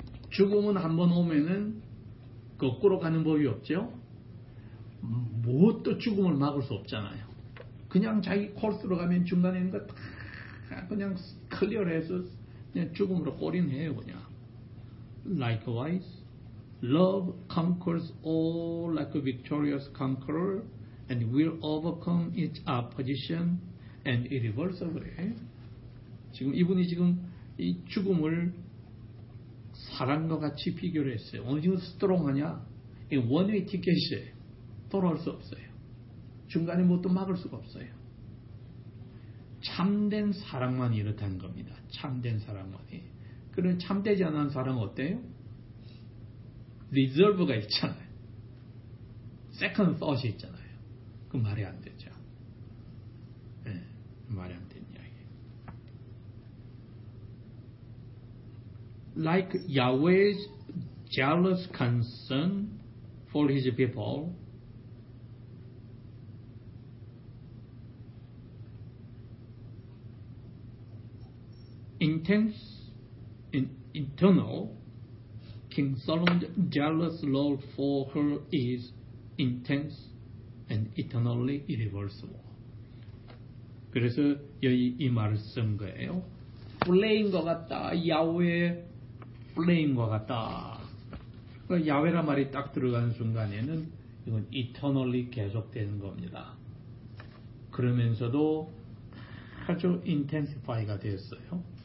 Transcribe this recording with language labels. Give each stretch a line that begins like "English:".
Korean: 죽음은 한번 오면은 거꾸로 가는 법이 없죠? 무엇도 죽음을 막을 수 없잖아요. 그냥 자기 코스로 가면 중간에 있는 거 다 그냥 클리어해서 그냥 죽음으로 골인해요 그냥.
English: Likewise, love conquers all like a victorious conqueror and will overcome its opposition and irreversibly.
Korean: 지금 이분이 지금 이 죽음을 사랑과 같이 비교를 했어요. 어느 정도 스트롱하냐? 이게 원웨이 티켓이에요. 돌아올 수 없어요. 중간에 뭣도 막을 수가 없어요. 참된 사랑만 이렇다는 겁니다. 참된 사랑만이. 그런 참되지 않은 사랑은 어때요? Reserve가 있잖아요. Second thought이 있잖아요. 그 말이 안 되죠. 예, 네, 말이 안 된 이야기.
English: Like Yahweh's jealous concern for his people. Intense and internal, King Solomon's jealous love for her is intense and eternally irreversible.
Korean: 그래서 여기 이 말을 쓴 거예요. Flame과 같다. Yahweh flame과 같다. 야훼라 말이 딱 들어간 순간에는 이건 eternally 계속되는 겁니다. 그러면서도 아주 intensify가 되었어요.